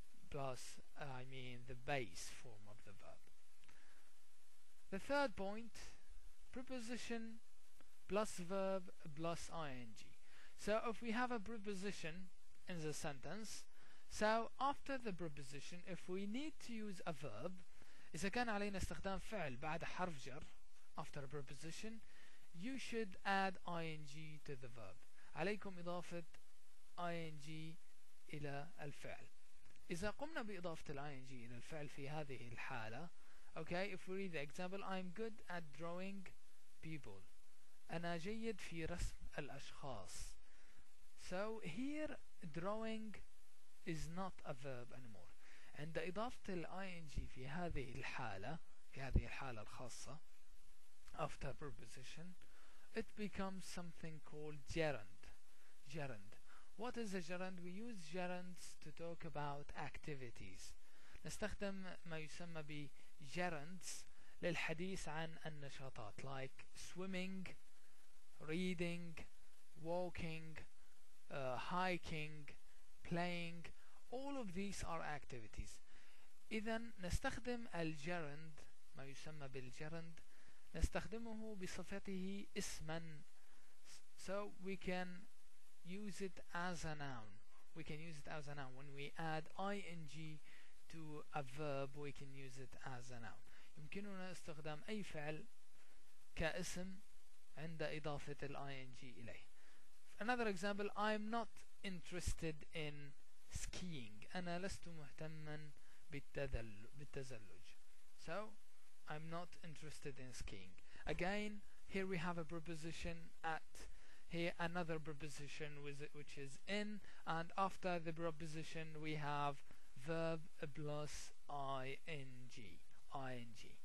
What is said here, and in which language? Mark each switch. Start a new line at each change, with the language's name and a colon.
English: Plus, I mean, the base form of the verb. The third point, preposition plus verb plus ing. So if we have a preposition in the sentence, so after the preposition, if we need to use a verb,
Arabic: إذا كان علينا استخدام فعل بعد حرف جر
English: after a preposition, you should add ing to the verb.
Arabic: عليكم إضافة ing إلى الفعل. إذا قمنا بإضافة ing إلى الفعل في هذه الحالة,
English: okay, if we read the example, I'm good at drawing people.
Arabic: أنا جيد في رسم الأشخاص.
English: So here drawing is not a verb anymore.
Arabic: عند إضافة الـ ing في هذه الحالة, في هذه الحالة الخاصة
English: after preposition, it becomes something called gerund. Gerund. What is a gerund? We use gerunds to talk about activities.
Arabic: نستخدم ما يسمى بـ gerunds للحديث عن النشاطات,
English: like swimming, reading, walking, hiking, playing, all of these are activities.
Arabic: إذا نستخدم الجرند, ما يسمى بالجرند, نستخدمه بصفته اسما.
English: So we can use it as a noun. We can use it as a noun. When we add ing to a verb, we can use it as a noun.
Arabic: يمكننا استخدام أي فعل كاسم عند إضافة الـ ing إليه.
English: Another example, I'm not interested in skiing.
Arabic: أنا لست مهتما بالتزلج.
English: So, I'm not interested in skiing. Again, here we have a preposition at. Here another preposition which is in. And after the preposition we have verb plus ing. ing.